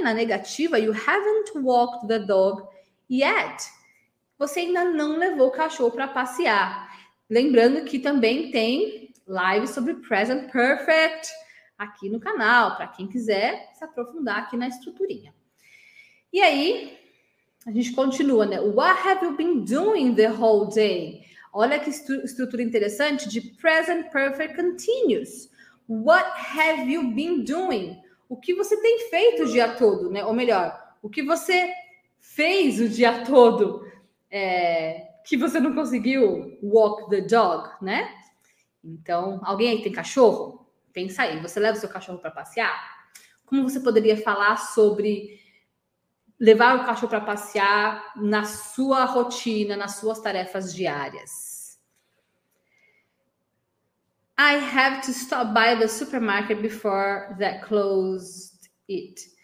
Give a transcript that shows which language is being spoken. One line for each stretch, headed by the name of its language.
Portuguese: Na negativa,
English: you haven't walked the dog yet.
Portuguese: Você ainda não levou o cachorro para passear. Lembrando que também tem live sobre present perfect aqui no canal, para quem quiser se aprofundar aqui na estruturinha. E aí, a gente continua, né?
English: What have you been doing the whole day?
Portuguese: Olha que estrutura interessante de present perfect continuous.
English: What have you been doing?
Portuguese: O que você tem feito o dia todo, né? Ou melhor, o que você fez o dia todo que você não conseguiu
English: walk the dog,
Portuguese: né? Então, alguém aí tem cachorro? Pensa aí, você leva o seu cachorro para passear? Como você poderia falar sobre levar o cachorro para passear na sua rotina, nas suas tarefas diárias?
English: I have to stop by the supermarket before that closed it.